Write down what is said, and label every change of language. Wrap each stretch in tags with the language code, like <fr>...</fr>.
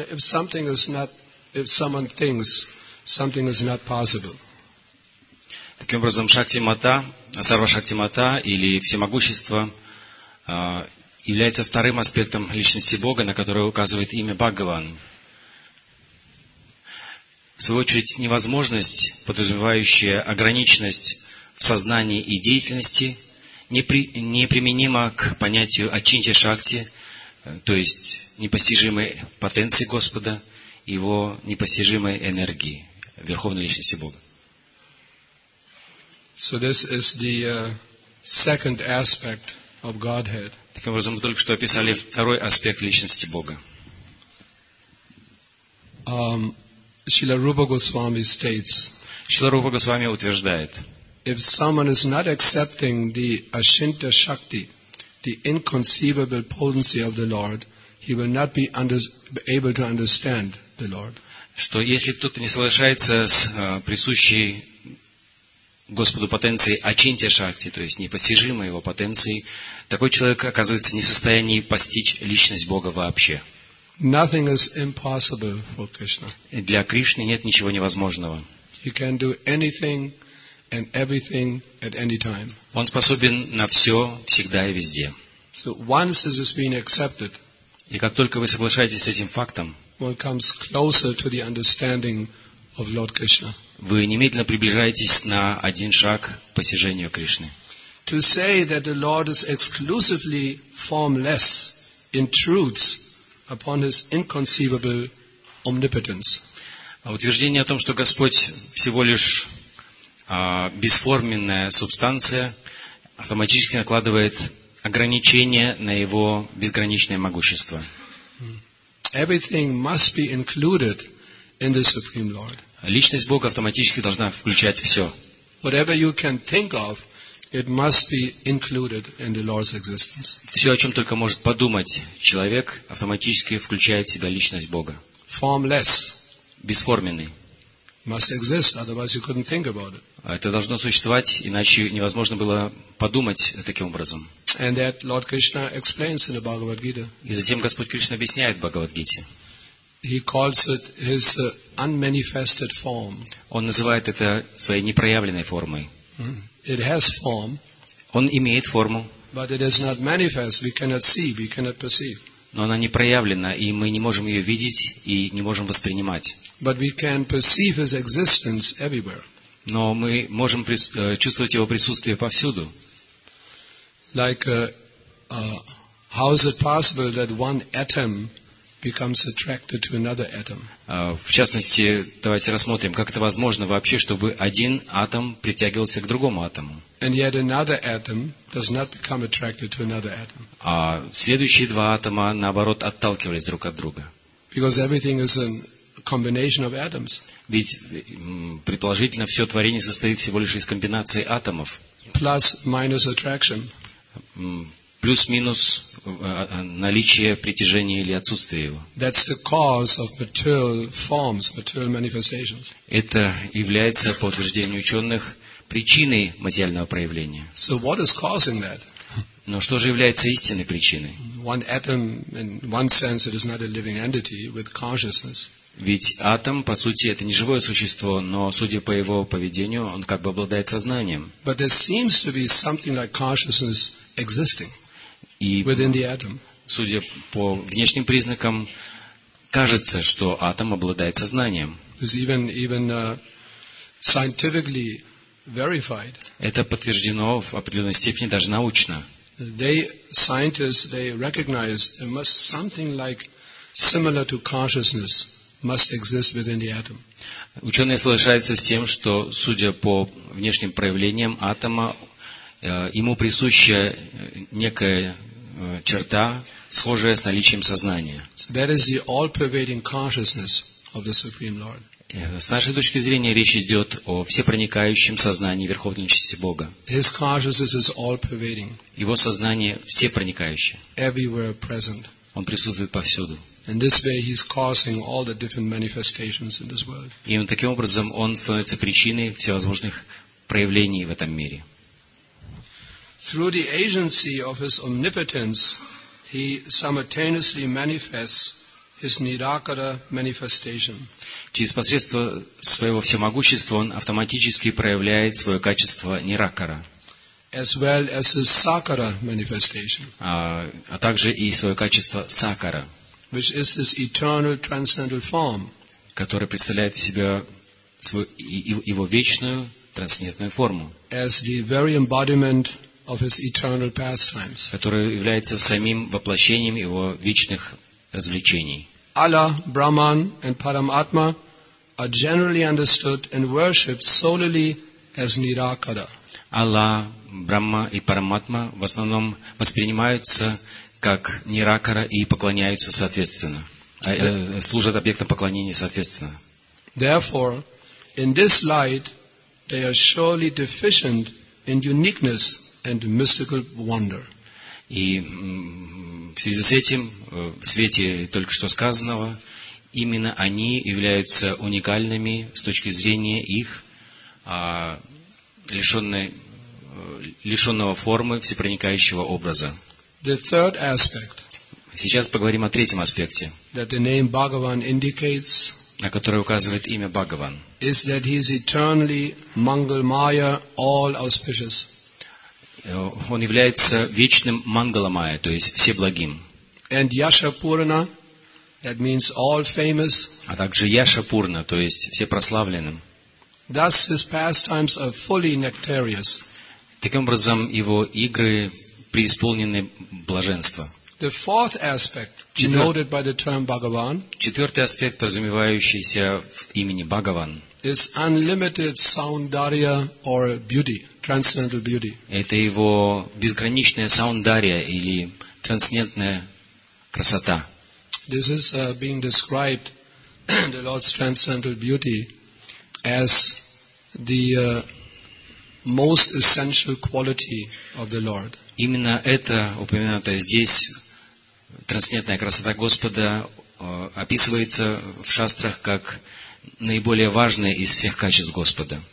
<en>If something is not, if someone thinks something is not possible.</en> <ru>Таким образом, Шакти Мата, Сарва Шакти Мата или Всемогущество является вторым аспектом личности Бога, на который указывает имя Бхагаван. В свою очередь, невозможность, подразумевающая ограниченность в сознании и деятельности, неприменимо к понятию Ачинтья Шакти, то есть непостижимой потенции Господа, Его непостижимой энергии, Верховной Личности Бога.</ru> <en>So this is the second aspect of Godhead.</en> <ru>Таким образом, мы только что описали второй аспект Личности Бога.</ru> <en>Шрила Рупа Госвами states,</en> <ru>Шрила Рупа Госвами утверждает,</ru> <en>if someone is not accepting the Achintya Shakti, the inconceivable potency of the Lord, he will not be able to understand the Lord.</en> <ru>Что если кто-то не соглашается с присущей Господу потенцией Achintya Shakti, то есть непостижимой его потенцией, такой человек оказывается не в состоянии постичь личность Бога вообще.</ru> <en>Nothing is impossible for Krishna.</en> <ru>Для Кришны нет ничего невозможного.</ru> <en>He can do anything and everything at any time.</en> <ru>Он способен на все, всегда и везде.</ru> <en>So once this has been accepted,</en> <ru>и как только вы соглашаетесь с этим фактом,</ru> <en>one comes closer to the understanding of Lord Krishna.</en> <ru>Вы немедленно приближаетесь на один шаг к постижению Кришны.</ru> <en>to say that the Lord is exclusively formless intrudes upon his inconceivable omnipotence.</en> <ru>А утверждение о том, что Господь всего лишь бесформенная субстанция, автоматически накладывает ограничения на его безграничное могущество.</ru> <en>Everything must be included in the Supreme Lord.</en> <ru>Личность Бога автоматически должна включать все.</ru> <en>Whatever you can think of, it must be included in the Lord's existence.</en> <ru>Все, о чем только может подумать человек, автоматически включает в себя личность Бога.</ru> <en>Formless.</en> <ru>Бесформенный.</ru> <en>Must exist, otherwise you couldn't think about it.</en> <ru>Это должно существовать, иначе невозможно было подумать таким образом.</ru> <en>And that Lord Krishna explains in the Bhagavad Gita.</en> <ru>И затем Господь Кришна объясняет в Бхагавад-гите.</ru> <en>He calls it his unmanifested form.</en> <ru>Он называет это своей непроявленной формой.</ru> <en>It has form.</en> <ru>Он имеет форму.</ru> <en>But it is not manifest. We cannot see. We cannot perceive.</en> <ru>Но она не проявлена, и мы не можем ее видеть и не можем воспринимать.</ru> <en>But we can perceive his existence everywhere.</en> <ru>Но мы можем чувствовать его присутствие повсюду.</ru> <en>Like how is it possible that one atom becomes attracted to another atom?</en> <ru>В частности, давайте рассмотрим, как это возможно вообще, чтобы один атом притягивался к другому атому.</ru> <en>And yet another atom does not become attracted to another atom.</en> <ru>А следующие два атома, наоборот, отталкивались друг от друга.</ru> <en>Because everything is a combination of atoms.</en> <ru>Ведь предположительно все творение состоит всего лишь из комбинации атомов.</ru> <en>Plus minus attraction.</en> <ru>Плюс-минус наличие притяжения или отсутствие его.</ru> <en>That's the cause of material forms, material manifestations.</en> <ru>Это является, по утверждению ученых, причиной материального проявления.</ru> <en>So what is causing that?</en> <ru>Но что же является истинной причиной?</ru> <en>One atom, in one sense, it is not a living entity with consciousness.</en> <ru>Ведь атом, по сути, это не живое существо, но, судя по его поведению, он как бы обладает сознанием.</ru> <en>But there seems to be something like consciousness existing within the atom.</en> <ru>И, судя по внешним признакам, кажется, что атом обладает сознанием.</ru> <en>It's even scientifically verified.</en> <ru>Это подтверждено в определенной степени даже научно.</ru> <en>They recognize there must something like similar to consciousness must exist within the atom.</en> <ru>Ученые соглашаются с тем, что, судя по внешним проявлениям атома, ему присуща некая черта, схожая с наличием сознания.</ru> <en>So that is the all-pervading consciousness of the Supreme Lord.</en> <ru>С нашей точки зрения речь идет о всепроникающем сознании Верховной Личности Бога.</ru> <en>His consciousness is all-pervading.</en> <ru>Его сознание всепроникающее.</ru> <en>Everywhere present.</en> <ru>Он присутствует повсюду.</ru> <en>And this way he's causing all the different manifestations in this world.</en> <ru>И таким образом он становится причиной всевозможных проявлений в этом мире.</ru> <en>Through the agency of his omnipotence, he simultaneously manifests his nirakara manifestation.</en> <ru>Через посредство своего всемогущества он автоматически проявляет свое качество ниракара.</ru> <en>As well as his sakara manifestation.</en> <ru>А также и свое качество сакара.</ru> <en>Which is his eternal transcendental form.</en> <ru>Который представляет из себя его вечную трансцендентную форму.</ru> <en>As the very embodiment of his eternal pastimes.</en> <ru>Который является самим воплощением его вечных развлечений.</ru> <en>Allah, Brahman and Paramatma are generally understood and worshipped solely as Nirakara.</en> <ru>Аллах, Брахма и Параматма в основном воспринимаются как Ниракара и поклоняются соответственно, служат объектом поклонения соответственно.</ru> <en>Therefore, in this light, they are surely deficient in uniqueness and mystical wonder.</en> <ru>И в связи с этим, в свете только что сказанного, именно они являются уникальными с точки зрения их лишенного формы всепроникающего образа.</ru> <en>The third aspect.</en> <ru>Сейчас поговорим о третьем аспекте.</ru> <en>That the name Bhagavan indicates.</en> <ru>На которое указывает имя Бхагаван.</ru> <en>Is that he is eternally Mangal Maya, all auspicious.</en> <ru>Он является вечным Мангаламая, то есть всеблагим.</ru> <en>And Yashapurna, that means all famous.</en> <ru>А также Yashapurna, то есть всепрославленным.</ru> <en>Thus his pastimes are fully nectarious.</en> <ru>Таким образом, его игры преисполнены блаженства.</ru> <en>The fourth aspect, denoted by the term Bhagavan,</en> <ru>четвертый аспект, подразумевающийся в имени Бхагаван,</ru> <en>is unlimited саундария or beauty, transcendental beauty.</en> <ru>Это его безграничная саундария или трансцендентная красота.</ru> <en>This is being described the Lord's transcendental beauty as the most essential quality of the Lord.</en> <ru>Именно это упомянуто здесь, трансцендентная красота Господа описывается в шастрах как наиболее важное из всех качеств Господа.</ru>